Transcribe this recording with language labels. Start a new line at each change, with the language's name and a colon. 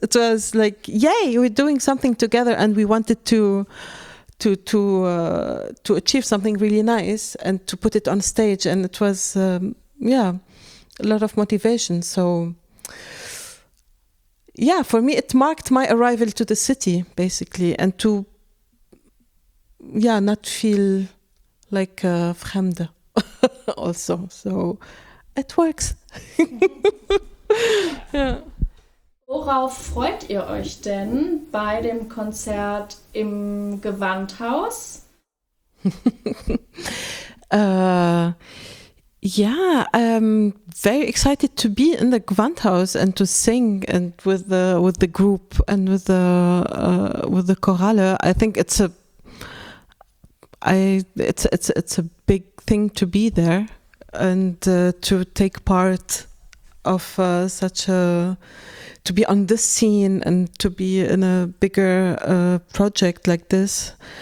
English: It was like, yay, we're doing something together and we wanted to achieve something really nice and to put it on stage, and it was a lot of motivation. So yeah, for me it marked my arrival to the city basically, and to not feel like a fremde also. So it works. Yeah.
German: Worauf freut ihr euch denn bei dem Konzert im Gewandhaus?
English: Very excited to be in the Gewandhaus and to sing and with the group and with the chorale. I think it's a big thing to be there and to take part of such a, to be on this scene and to be in a bigger project like this.